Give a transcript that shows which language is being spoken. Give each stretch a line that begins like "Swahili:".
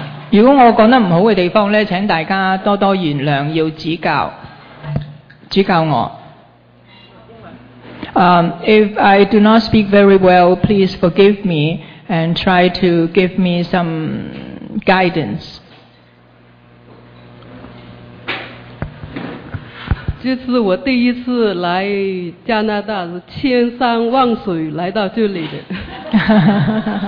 Chinese: 如果我讲得不好的地方咧，请大家多多原谅，要指教我。
English: If I do not speak very well, please forgive me and try to give me some guidance.
Chinese: 这次我第一次来加拿大，是千山万水来到这里的。